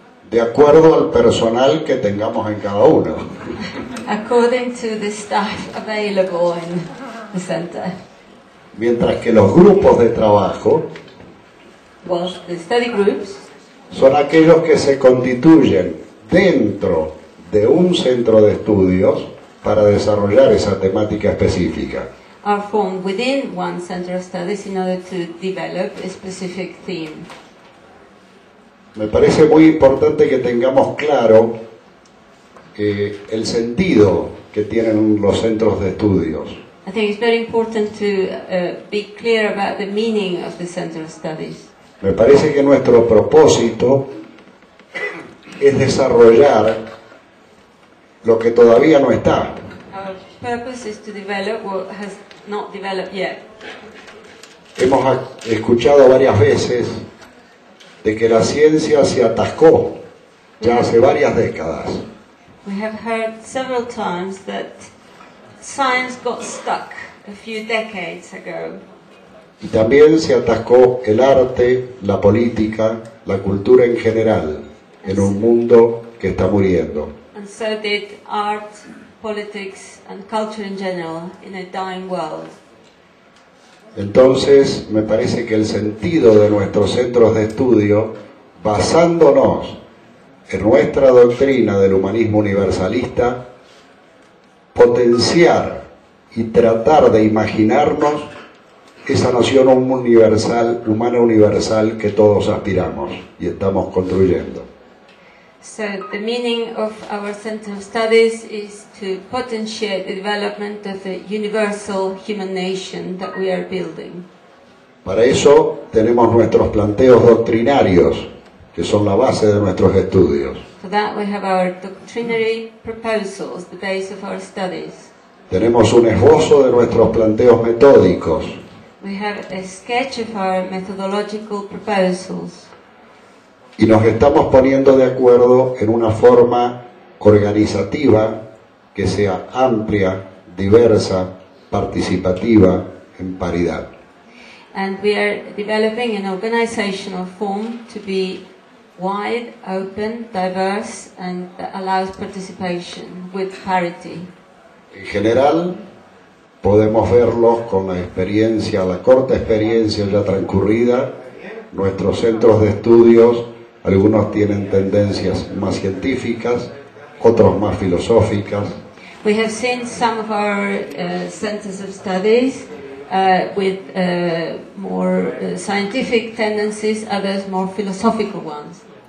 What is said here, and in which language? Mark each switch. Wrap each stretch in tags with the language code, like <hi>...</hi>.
<es>De acuerdo al personal que tengamos en cada uno.</es> <en>According to the staff available in the center.</en> <es>Mientras que los grupos de trabajo,</es> <en>well, the study groups,</en> <es>son aquellos que se constituyen dentro de un centro de estudios para desarrollar esa temática específica.</es> <en>Are formed within one center of studies in order to develop a specific theme.</en> <es>Me parece muy importante que tengamos claro el sentido que tienen los centros de estudios.</es> <en>I think it's very important to be clear about the meaning of the center of studies.</en> <es>Me parece que nuestro propósito es desarrollar lo que todavía no está.</es> <en>Our purpose is to develop what has not developed yet.</en> <es>Hemos escuchado varias veces de que la ciencia se atascó ya hace varias décadas.</es> <en>We have heard several times that science got stuck a few decades ago.</en> <es>Y también se atascó el arte, la política, la cultura en general, en un mundo que está muriendo.</es> <en>And so did art, politics and culture in general in a dying world.</en> <es>Entonces, me parece que el sentido de nuestros centros de estudio, basándonos en nuestra doctrina del humanismo universalista, potenciar y tratar de imaginarnos esa noción universal, humana universal que todos aspiramos y estamos construyendo.</es> <en>So the meaning of our center of studies is to potentiate the development of a universal human nation that we are building.</en> <es>Para eso tenemos nuestros planteos doctrinarios, que son la base de nuestros estudios.</es> <en>For that we have our doctrinary proposals, the base of our studies.</en> <es>Tenemos un esbozo de nuestros planteos metódicos.</es> <en>We have a sketch of our methodological proposals.</en> <es>Y nos estamos poniendo de acuerdo en una forma organizativa que sea amplia, diversa, participativa, en paridad.</es> <en>And we are developing an organizational form to be wide, open, diverse, and allows participation with parity.</en> <es>En general, podemos verlo con la experiencia, la corta experiencia ya transcurrida, nuestros centros de estudios, algunos tienen tendencias más científicas, otros más filosóficas.</es> <en>We have seen some of our centers of studies with more scientific tendencies, others more philosophical ones.</en>